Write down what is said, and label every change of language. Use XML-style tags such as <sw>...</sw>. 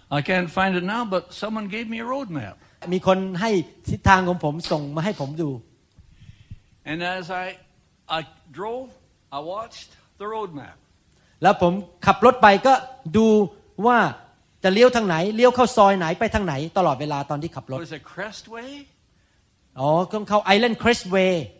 <en>I can't find it now but someone gave me a road map</en> <th>มีคนให้ทิศทางของผมส่งมาให้ผมดู</th> <en>And as I drove I watched the road map</en> <th>แล้วผมขับรถไปก็ดูว่าจะเลี้ยวทางไหนเลี้ยวเข้าซอยไหนไปทางไหนตลอดเวลาตอนที่ขับรถ</th> <en>Was it Crest Way</en> <th>อ๋อต้องเข้า Island Crest Way</th>